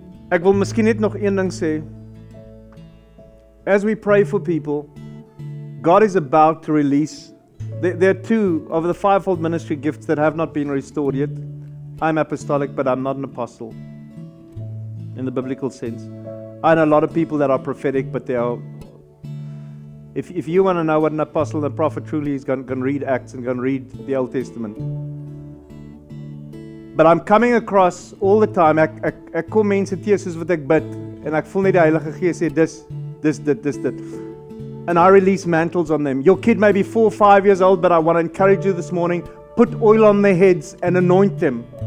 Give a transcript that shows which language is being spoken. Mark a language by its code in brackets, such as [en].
[af] Ek wil miskien net nog een ding sê. [en] As we pray for people, God is about to release. There are two of the fivefold ministry gifts that have not been restored yet. I'm apostolic, but I'm not an apostle in the biblical sense. I know a lot of people that are prophetic, but they are. If you want to know what an apostle and a prophet truly is, go and read Acts and go and read the Old Testament. But I'm coming across all the time. [af] Ek kom mense teë soos wat ek bid, en ek voel net die Heilige Gees sê dis dit. [en] And I release mantles on them. Your kid may be 4 or 5 years old, but I want to encourage you this morning. Put oil on their heads and anoint them.